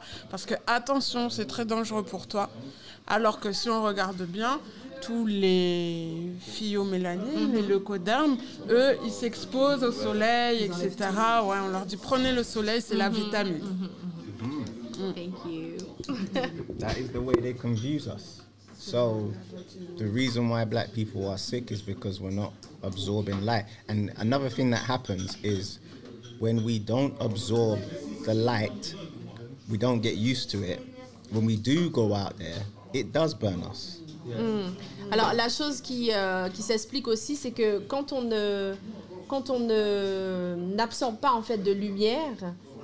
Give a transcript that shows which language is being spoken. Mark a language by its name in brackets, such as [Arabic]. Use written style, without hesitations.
[French] Parce que, attention, c'est très dangereux pour toi. Alors que si on regarde bien, tous les pheomélanines, les leucodermes, eux, ils s'exposent au soleil, etc. Ouais, on leur dit, prenez le soleil, c'est la vitamine. [English] Thank you. That is the way they confuse us. So, the reason why black people are sick is because we're not absorbing light. And another thing that happens is when we don't absorb the light, we don't get used to it. When we do go out there, it does burn us. Yeah. Mm. [French] Alors, la chose qui s'explique aussi, c'est que quand on ne n'absorbe pas en fait de lumière,